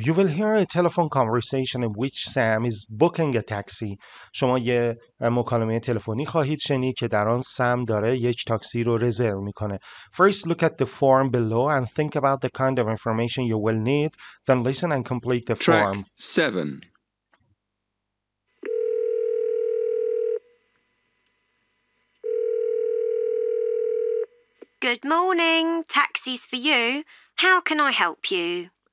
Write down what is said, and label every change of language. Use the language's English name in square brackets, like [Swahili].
[English] You will hear a telephone conversation in which Sam is booking a taxi. [Persian] شما یه مکالمه تلفنی خواهید شنید که در آن سم داره یک تاکسی رو رزرو میکنه. [English] First, look at the form below and think about the kind of information you will need. Then listen and complete the form. Track 7. Good morning. Taxi's for you. How can I help you?